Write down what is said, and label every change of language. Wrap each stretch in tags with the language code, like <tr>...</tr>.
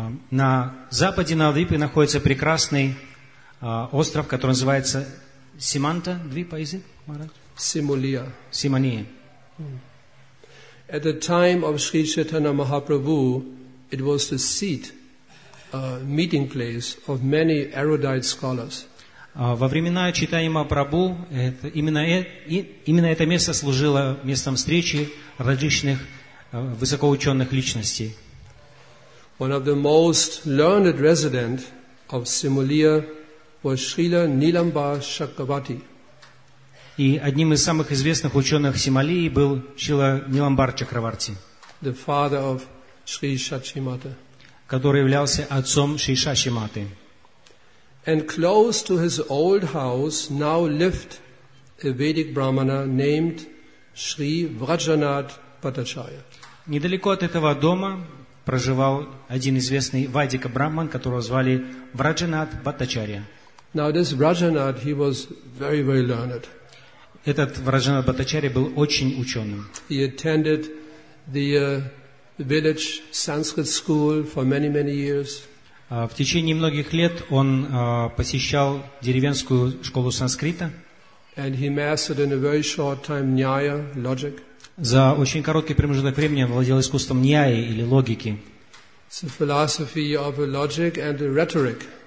<ru>На западе Навадвипа находится прекрасный остров, который называется Симанта Двипа,</ru> <en>is it?</en> <ru>Симулия. Симания.</ru> <en>At the time of Sri Chaitanya Mahaprabhu, it was the seat, meeting place of many erudite scholars.</en> <ru>Во времена Чайтаньи Махапрабху именно это место служило местом встречи различных высокоученых личностей.</ru> <en>One of the most learned resident of Simulia was Srila Nilambar Chakravarti.</en> <ru>И одним из самых известных ученых Сималии был Шрила Ниламбар Чакраварти.</ru> <en>The father of Sri Shakshimata.</en> <ru>Который являлся отцом Шри Шакшиматы.</ru> <en>And close to his old house now lived a Vedic Brahmana named Sri Vrajanath Bhattacharya.</en> <ru>Недалеко от этого дома проживал один известный вайдика брахман, которого звали Враджанат Бхаттачарья.</ru> <en>Now this Враджанат, he was very, very learned.</en> <ru>Этот Враджанат Бхаттачарья был очень ученым.</ru> <en>He attended the village Sanskrit school for many, many years.</en> <ru>В течение многих лет он посещал деревенскую школу санскрита.</ru> <en>And he mastered in a very short time Nyaya, logic.</en> <ru>За очень короткий промежуток времени он владел искусством ньяи или логики.</ru> <en>It's a philosophy of a logic and a rhetoric.</en>